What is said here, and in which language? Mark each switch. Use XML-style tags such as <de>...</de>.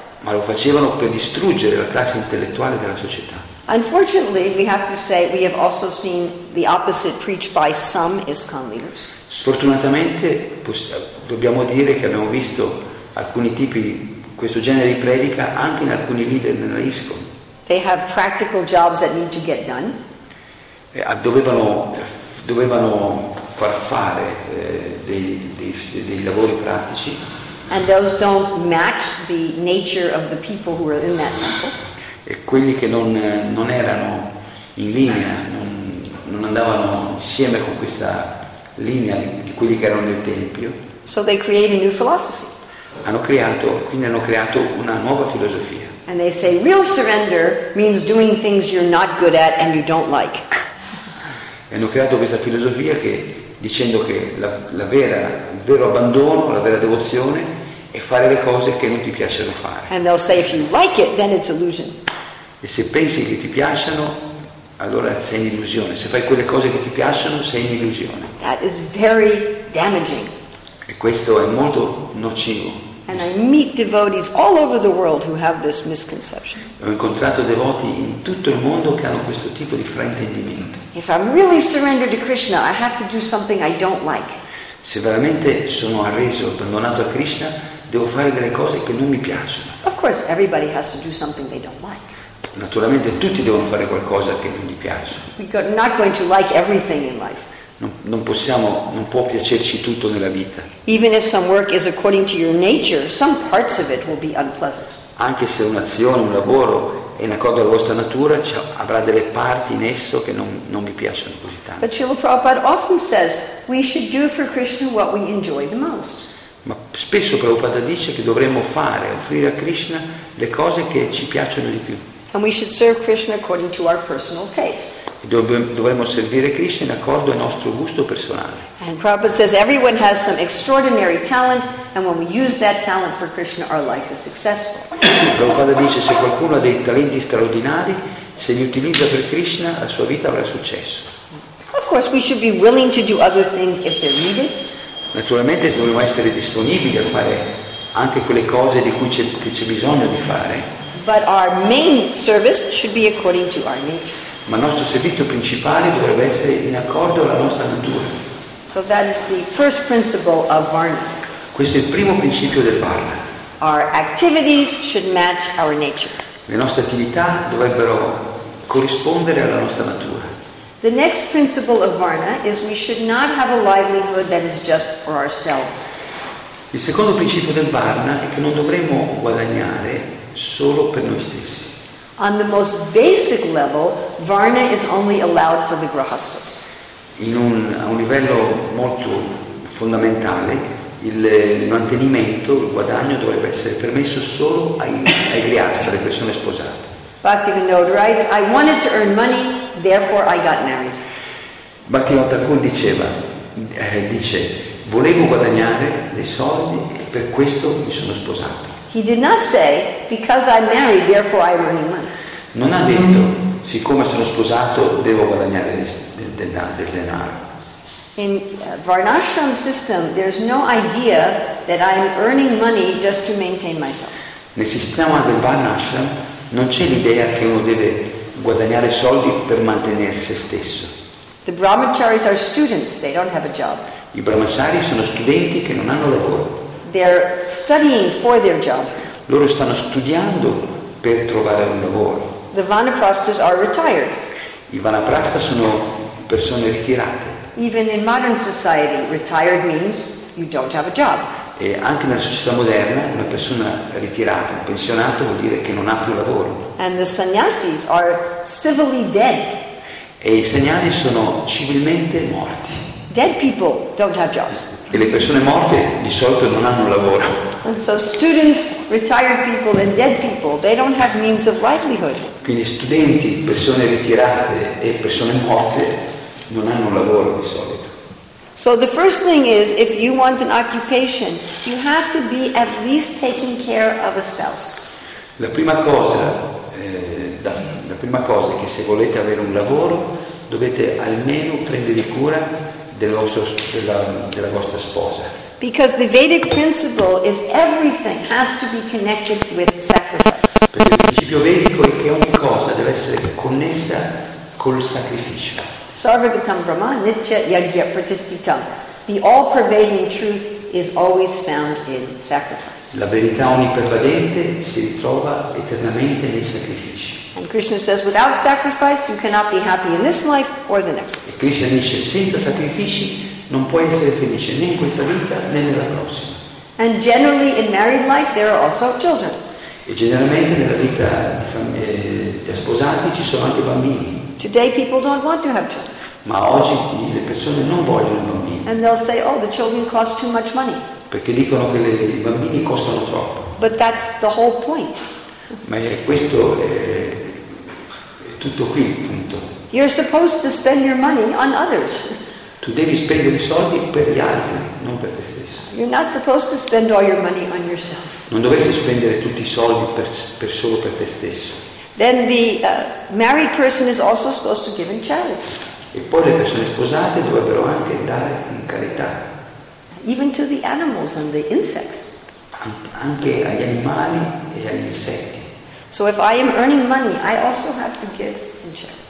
<it>Ma lo facevano per distruggere la classe intellettuale della società.</it> <en>Unfortunately, we have to say we have also seen the opposite preached by some ISKCON leaders.</en> <it>Sfortunatamente, dobbiamo dire che abbiamo visto alcuni tipi di questo genere di predica anche in alcuni leader della ISKCON.</it> <en>They have practical jobs that need to get done.</en> <it>Dovevano far fare dei lavori pratici.</it> <en>And those don't match the nature of the people who were in that temple.</en> <it>E quelli che non erano in linea, non andavano insieme con questa linea di quelli che erano nel tempio.</it> <en>So they create a new philosophy.</en> <it>Hanno creato una nuova filosofia.</it> <en>And they say real surrender means doing things you're not good at and you don't like.</en> <it>E hanno creato questa filosofia che dicendo che il vero abbandono, la vera devozione è fare le cose che non ti piacciono fare.</it> <en>And they'll say if you like it, then it's illusion.</en> <it>E se pensi che ti piacciono, allora sei in illusione. Se fai quelle cose che ti piacciono, sei in illusione.</it> <en>That is very damaging.</en> <it>E questo è molto nocivo.</it> <en>And I meet devotees all over the world who have this misconception.</en> <it>Ho incontrato devoti in tutto il mondo che hanno questo tipo di fraintendimento.</it> <en>If I'm really surrendered to Krishna, I have to do something I don't like.</en> <it>Se veramente sono arreso, abbandonato a Krishna, devo fare delle cose che non mi piacciono.</it> <en>Of course, everybody has to do something they don't like.</en> <it>Naturalmente tutti devono fare qualcosa che non gli piace.</it> <en>We're not going to like everything in life.</en> <it>Non può piacerci tutto nella vita.</it> <en>Even if some work is according to your nature, some parts of it will be unpleasant.</en> <it>Anche se un'azione, un lavoro è in accordo alla vostra natura, avrà delle parti in esso che non vi piacciono così tanto.</it> <en>But Srila Prabhupada often says we should do for Krishna what we enjoy the most.</en> <it>Ma spesso Prabhupada dice che dovremmo fare, offrire a Krishna le cose che ci piacciono di più.</it> <en>And we should serve Krishna according to our personal taste.</en> <it>Dovremmo servire Krishna in accordo al nostro gusto personale.</it> <en>And Prabhupada says everyone has some extraordinary talent, and when we use that talent for Krishna, our life is successful.</en> <it>Prabhupada dice se qualcuno ha dei talenti straordinari, se li utilizza per Krishna, la sua vita avrà successo.</it> <en>Of course, we should be willing to do other things if they're needed.</en> <it>Naturalmente dobbiamo essere disponibili a fare anche quelle cose di cui c'è bisogno di fare.</it> <en>But our main service should be according to our nature.</en> <it>Ma il nostro servizio principale dovrebbe essere in accordo alla nostra natura.</it> <en>So that is the first principle of Varna.</en> <it>Questo è il primo principio del Varna.</it> <en>Our activities should match our nature.</en> <it>Le nostre attività dovrebbero corrispondere alla nostra natura.</it> <en>The next principle of Varna is we should not have a livelihood that is just for ourselves.</en> <it>Il secondo principio del Varna è che non dovremmo guadagnare solo per noi stessi.</it> <en>On the most basic level, Varna is only allowed for the grahastas.</en> <it>A un livello molto fondamentale, il mantenimento, il guadagno dovrebbe essere permesso solo ai grihastha, alle persone sposate.</it> <en>Bhaktivinoda writes, I wanted to earn money, therefore I got married.</en> <it>Bhaktivinoda Thakur dice, volevo guadagnare dei soldi e per questo mi sono sposato.</it> <en>He did not say, because I'm married, therefore I'm earning money.</en> <it>Non ha detto, siccome sono sposato, devo guadagnare del denaro.</it> <en>In Varnashram system, there's no idea that I'm earning money just to maintain myself.</en> <it>Nel sistema del Varnashram, non c'è l'idea che uno deve guadagnare soldi per mantenere se stesso.</it> <en>The brahmacharis are students, they don't have a job.</en> <it>I brahmachari sono studenti che non hanno lavoro.</it> <en>They're studying for their job.</en> <it>Loro stanno studiando per trovare un lavoro.</it> <en>The vanaprastas are retired.</en> <it>I vanaprastas sono persone ritirate.</it> <en>Even in modern society, retired means you don't have a job.</en> <it>E anche nella società moderna, una persona ritirata, un pensionato, vuol dire che non ha più lavoro.</it> <en>And the sannyasis are civilly dead.</en> <it>E i sannyasi sono civilmente morti.</it> <en>Dead people don't have jobs.</en> <it>E le persone morte di solito non hanno lavoro.</it> <en>And so students, retired people and dead people, they don't have means of livelihood.</en> <it>Quindi studenti, persone ritirate e persone morte non hanno lavoro di solito.</it> <en>So the first thing is, if you want an occupation, you have to be at least taking care of a spouse.</en> <it>La prima cosa, la prima cosa è che se volete avere un lavoro, dovete almeno prendere cura della vostra sposa.</it> <en>Because the Vedic principle is everything has to be connected with sacrifice.</en> <it>Perché il principio vedico è che ogni cosa deve essere connessa col sacrificio.</it> <sa>Sarvagatam Brahma Nitya Yajna Pratisthitam.</sa> <en>The all-pervading truth is always found in sacrifice.</en> <it>La verità onnipervadente si ritrova eternamente nei sacrifici.</it> <en>And Krishna says, without sacrifice, you cannot be happy in this life or the next.</en> <it>E Krishna dice, senza sacrifici, non puoi essere felice né in questa vita né nella prossima.</it> <en>And generally, in married life, there are also children.</en> <it>E generalmente nella vita di famiglia sposati ci sono anche bambini.</it> <en>Today, people don't want to have children.</en> <it>Ma oggi le persone non vogliono bambini.</it> <en>And they'll say, oh, the children cost too much money.</en> <it>Perché dicono che i bambini costano troppo.</it> <en>But that's the whole point.</en> <it>Ma questo è tutto qui, appunto.</it> <en>You're supposed to spend your money on others.</en> <it>Tu devi spendere i soldi per gli altri, non per te stesso.</it> <en>You're not supposed to spend all your money on yourself.</en> <it>Non dovresti spendere tutti i soldi per solo per te stesso.</it> <en>Then the married person is also supposed to give in charity.</en> <it>E poi le persone sposate dovrebbero anche dare in carità.</it> <en>Even to the animals and the insects.</en> <it>Anche agli animali e agli insetti.</it> <en>So if I am earning money, I also have to give in charity.</en>